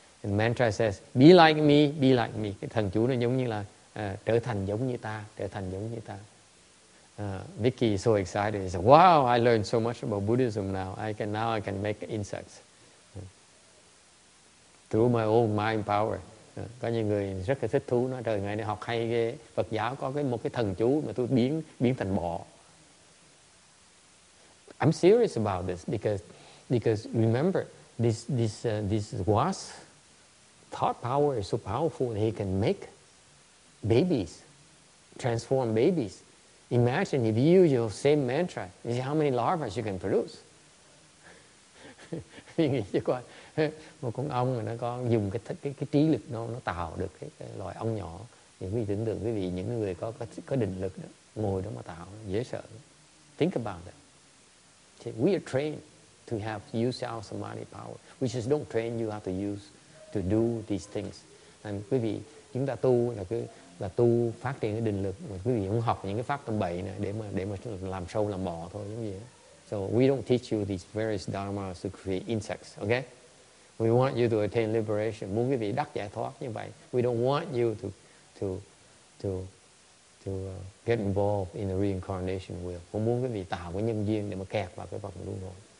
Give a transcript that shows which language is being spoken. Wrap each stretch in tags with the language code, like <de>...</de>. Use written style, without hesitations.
<en>And mantra says be like me,</en> <vi>be like me, cái thần chú nó giống như là trở thành giống như ta.</vi> <en>Vicky is so excited. He said, wow, I learned so much about Buddhism now. I can make insects through my own mind power.</en> <vi>Có nhiều người rất là thích thú, nói trời ngày này học hay ghê, Phật giáo có cái một cái thần chú mà tôi biến thành bò.</vi> <en>I'm serious about this because remember this wasp thought power is so powerful that he can make babies, transform babies. Imagine if you use your same mantra, you see how many larvas you can produce.</en> <vi>Mình nghĩ chứ coi, một con ong mà nó có dùng cái trí lực nó tạo được cái loài ong nhỏ. Thì quý vị tưởng tượng, quý vị những người có định lực đó, ngồi đó mà tạo, dễ sợ.</vi> <en>Think about it. So we are trained to have to use our samadhi power. We just don't train you how to use, to do these things.</en> <vi>And quý vị, chúng ta tu là cứ là tu phát triển cái định lực, mà quý vị cũng học những cái pháp tâm bậy này để mà làm sâu làm bò thôi giống vậy.</vi> <en>So we don't teach you these various dharmas to create insects, okay? We want you to attain liberation.</en> <vi>Muốn quý vị đắc giải thoát như vậy.</vi> <en>We don't want you to get involved in the reincarnation wheel.</en> <vi>Không muốn quý vị tạo cái nhân duyên để mà kẹt vào cái vòng luân hồi.</vi>